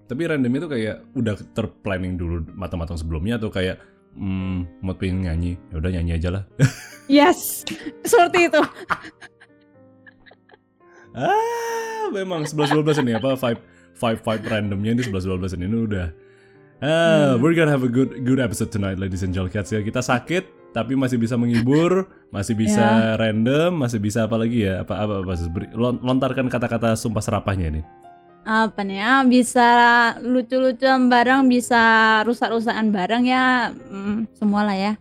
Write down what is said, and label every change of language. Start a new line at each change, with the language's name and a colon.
Indonesian: Tapi random itu kayak udah terplanning dulu matang-matang sebelumnya atau kayak mood pengen nyanyi, ya udah nyanyi aja lah. Yes. Seperti itu. Memang 11-12 ini apa five randomnya ini 11-12 ini udah.
English: We're gonna have a good episode tonight, ladies and gentlemen.
Indonesian: Ya, kita sakit tapi masih bisa menghibur, masih bisa random, masih bisa apa lagi ya? Apa lontarkan kata-kata sumpah serapahnya ini. Apa nih? Bisa lucu-lucuan bareng, bisa rusak-rusakan bareng ya, semualah ya.